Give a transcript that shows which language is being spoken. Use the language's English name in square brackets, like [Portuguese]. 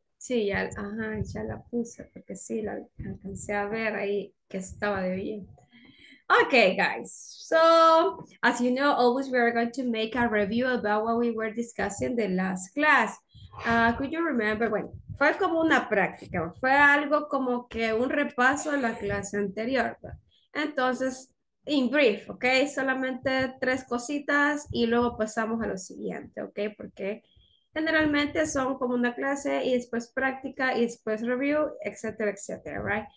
[Spanish] Sí, ya, ajá, ya la puse, porque sí, la alcancé a ver ahí que estaba de oyente. [English] Okay, guys, so as you know, always we are going to make a review about what we were discussing the last class. Could you remember? [Spanish] Bueno, fue como una práctica, fue algo como que un repaso de la clase anterior, ¿verdad? Entonces, [English] in brief, [Spanish] ¿ok? Solamente tres cositas y luego pasamos a lo siguiente, ¿ok? Porque generalmente son como una clase y después práctica y después review, etcétera, etcétera, ¿right?